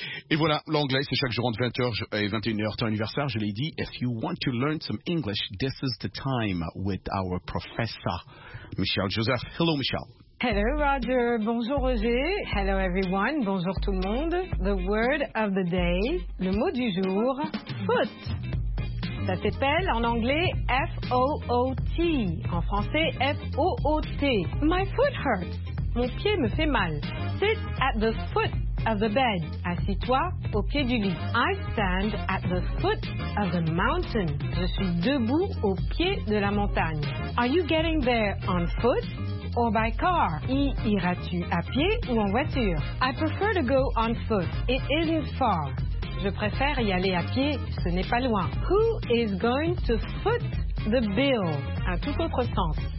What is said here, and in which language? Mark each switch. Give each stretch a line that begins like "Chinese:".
French: Et voilà, l'anglais, c'est chaque jour entre 20h et 21h, temps anniversaire, je l'ai dit.
English: If you want to learn some English, this is the time with our professor, Michel Joseph. Hello, Michel. Hello, Roger.
French: Bonjour, Roger.
English: Hello, everyone.
French: Bonjour, tout le monde.
English: The word of the day,
French: le mot du jour,
English: foot.
French: Ça s'appelle en anglais F-O-O-T. En français, F-O-O-T.
English: My foot hurts.
French: Mon pied me fait mal.
English: Sit at the foot of the bed.
French: Assis-toi au pied du lit.
English: I stand at the foot of the mountain.
French: Je suis debout au pied de la montagne.
English: Are you getting there on foot? Or by car.
French: Y iras-tu à pied ou en voiture?
English: I prefer to go on foot. It isn't far.
French: Je préfère y aller à pied. Ce n'est pas loin.
English: Who is going to foot the bill?
French: Un tout autre sens.